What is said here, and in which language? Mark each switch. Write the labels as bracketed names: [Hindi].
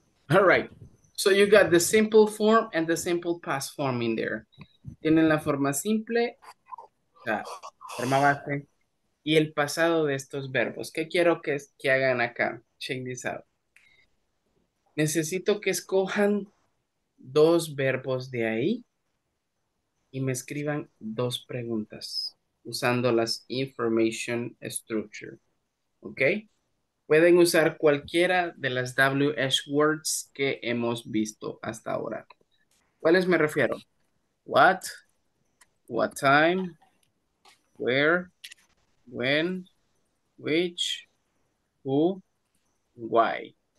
[English] All right, so you got the simple form and the simple past form in there. [Spanish] Tienen la forma simple, la forma base, y el pasado de estos verbos. ¿Qué quiero que hagan acá? [English] Check this out. [Spanish] Necesito que escojan dos verbos de ahí y me escriban dos preguntas usando las information structure. ¿Ok? Pueden usar cualquiera de las WH words que hemos visto hasta ahora. ¿Cuáles me refiero? [English] What, what time, where, when, which, who, why.